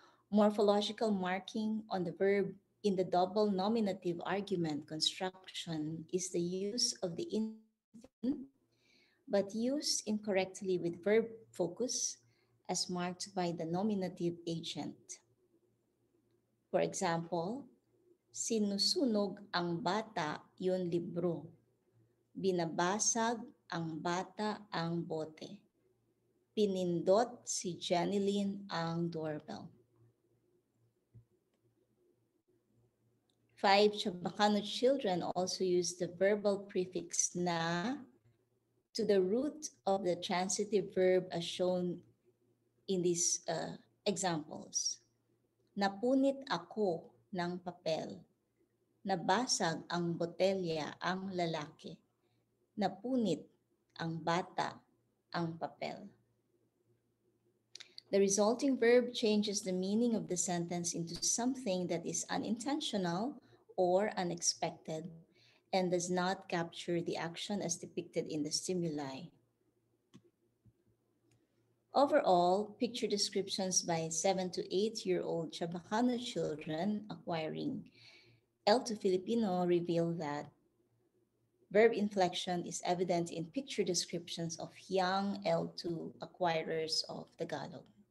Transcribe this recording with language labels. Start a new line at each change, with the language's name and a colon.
English: Morphological marking on the verb in the double nominative argument construction is the use of the infinitive, but used incorrectly with verb focus as marked by the nominative agent.
Filipino: For example, sinusunog ang bata yun libro. Binabasag ang bata ang bote. Pinindot si Jeneline ang doorbell.
English: Five Chabacano children also use the verbal prefix na to the root of the transitive verb as shown in these examples.
Filipino: Napunit ako ng papel. Nabasag ang botelya ang lalaki. Napunit ang bata ang papel.
English: The resulting verb changes the meaning of the sentence into something that is unintentional or unexpected and does not capture the action as depicted in the stimuli. Overall, picture descriptions by 7 to 8 year old Chabacano children acquiring L2 Filipino reveal that verb inflection is evident in picture descriptions of young L2 acquirers of Tagalog.